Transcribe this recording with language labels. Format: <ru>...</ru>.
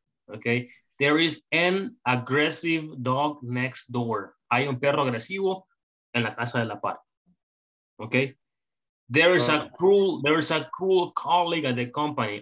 <en>Okay, there is an aggressive dog next door.</en> <es>Hay un perro agresivo en la casa de la par.</es> <en>Okay. There is a cruel colleague at the company.</en>